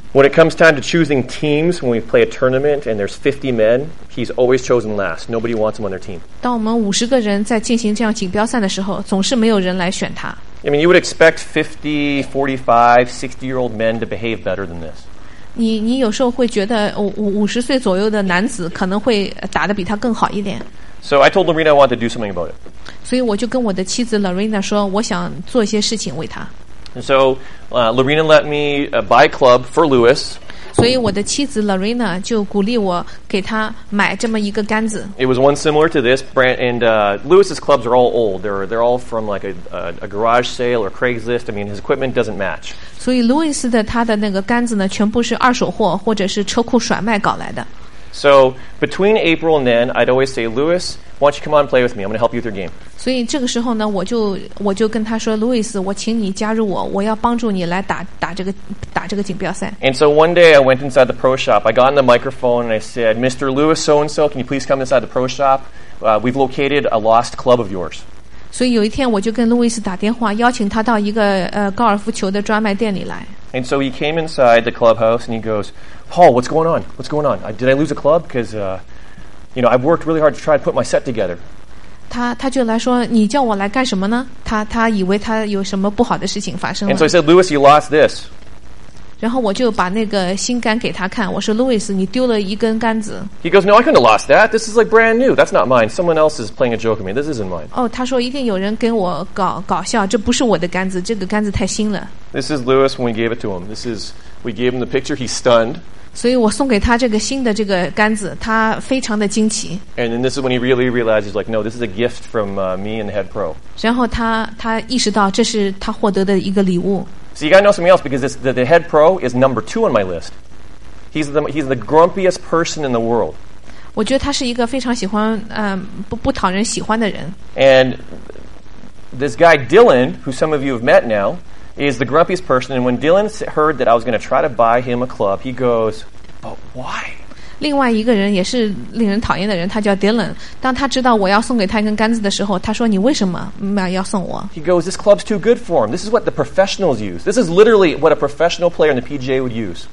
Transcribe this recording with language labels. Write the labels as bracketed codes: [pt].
[en] When it comes time to choosing teams, when we play a tournament and there's 50 men, he's always chosen last. Nobody wants him on their team. [zh] 当我们五十个人在进行这样锦标赛的时候，总是没有人来选他。 [en] I mean, you would expect 50, 45, 60-year-old men to behave better than this. [zh] 你有时候会觉得五十岁左右的男子可能会打得比他更好一点。 [en] So I told Lorena I wanted to do something about it. [zh] 所以我就跟我的妻子 Lorena 说，我想做一些事情为他。 [en] And so, Lorena let me buy a club for Lewis. [zh] 所以我的妻子 Lorena 就鼓励我给他买这么一个杆子。 [en] It was one similar to this brand, and Lewis's clubs are all old. They're all from like a garage sale or Craigslist. I mean, his equipment doesn't match. [zh] 所以 Lewis 的他的那个杆子呢，全部是二手货或者是车库甩卖搞来的。 [en] So between April and then, I'd always say, Lewis, why don't you come on and play with me? I'm going to help you with your game. [zh] 所以这个时候呢，我就跟他说 ，Lewis， 我请你加入我，我要帮助你来打这个锦标赛。 [en] And so one day I went inside the pro shop. I got on the microphone and I said, Mr. Lewis, so and so, can you please come inside the pro shop? We've located a lost club of yours. [zh] 所以有一天我就跟 Lewis 打电话，邀请他到一个高尔夫球的专卖店里来。 [en] And so he came inside the clubhouse and he goes, Paul, what's going on? What's going on? Did I lose a club? Because, you know, I've worked really hard to try to put my set together. [zh] 他就来说，你叫我来干什么呢？他以为他有什么不好的事情发生 [en] 了。And so I said, Lewis, you lost this. [zh] 然后我就把那个新杆给他看，我说 Lewis, 你丢了一根杆子。 [en] He goes, no, I couldn't have lost that. This is like brand new. That's not mine. Someone else is playing a joke on me. This isn't mine. [zh] 哦，他说一定有人跟我搞笑，这不是我的杆子，这个杆子太新了。 [en] This is Lewis when we gave it to him. We gave him the picture. He's stunned. [zh] 所以我送给他这个新的这个杆子，他非常的惊奇。 [en] And then this is when he really realizes, like, no, this is a gift from me and the head pro. [zh] 然后他意识到这是他获得的一个礼物。 [en] So you gotta know something else because the head pro is number two on my list. He's the grumpiest person in the world. [zh] 我觉得他是一个非常喜欢不讨人喜欢的人。 [en] And this guy Dylan, who some of you have met now, is the grumpiest person. And when Dylan heard that I was going to try to buy him a club, he goes, "But why?" [zh] 另外一个人也是令人讨厌的人，他叫 Dylan。当他知道我要送给他一根杆子的时候，他说：“你为什么要送我？” [en] He goes, "This club's too good for him. This is what the professionals use. This is literally what a professional player in the PGA would use.